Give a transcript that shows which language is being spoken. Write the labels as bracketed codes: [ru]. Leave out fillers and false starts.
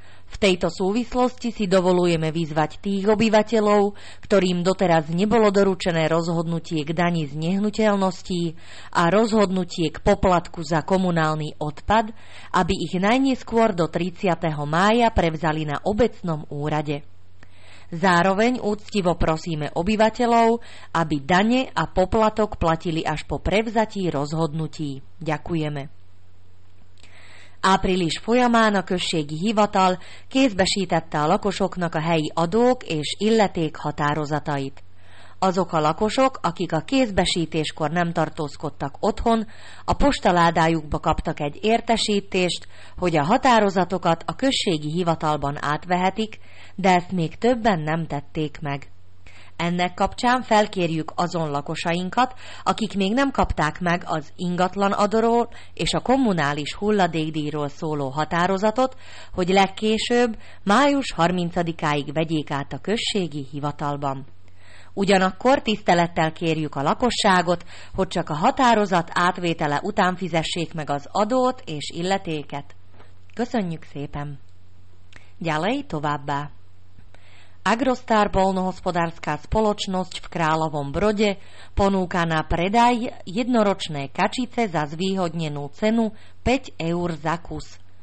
[sk] V tejto súvislosti si dovolujeme vyzvať tých obyvateľov, ktorým doteraz nebolo doručené rozhodnutie k dani z nehnuteľností a rozhodnutie k poplatku za komunálny odpad, aby ich najneskôr do 30. mája prevzali na obecnom úrade. Zároveň úctivo prosíme obyvateľov, aby dane a poplatok platili až po prevzatí rozhodnutí. Ďakujeme. [hu] Április folyamán a községi hivatal kézbesítette a lakosoknak a helyi adók és illeték határozatait. Azok a lakosok, akik a kézbesítéskor nem tartózkodtak otthon, a postaládájukba kaptak egy értesítést, hogy a határozatokat a községi hivatalban átvehetik, de ezt még többen nem tették meg. Ennek kapcsán felkérjük azon lakosainkat, akik még nem kapták meg az ingatlan adóról és a kommunális hulladékdíjról szóló határozatot, hogy legkésőbb május 30-áig vegyék át a községi hivatalban. Ugyanakkor tisztelettel kérjük a lakosságot, hogy csak a határozat átvétele után fizessék meg az adót és illetéket. Köszönjük szépen! Gyalej továbbá! [sk] Agrostar poľnohospodárska spoločnosť v Kráľovom Brode ponúka na predaj jednoročné kačice za zvýhodnenú cenu 5 eur za kus.